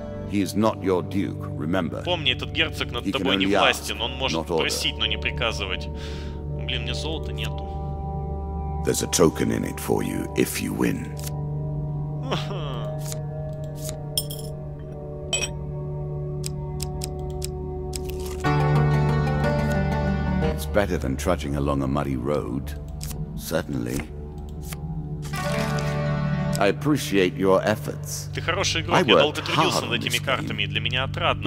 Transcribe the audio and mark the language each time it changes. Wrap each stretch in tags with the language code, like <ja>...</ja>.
<en>He is not your duke, remember.</en> <ru>Помни, этот герцог над тобой не властен. Он может просить, но не приказывать. Блин, у меня золота нету.</ru> <en>There's a token in it for you, if you win. Better than trudging along a muddy road, certainly. I appreciate your efforts.</en> <ru>Ты хороший игрок, я долго трудился над этими картами, и для меня отрадно.</ru>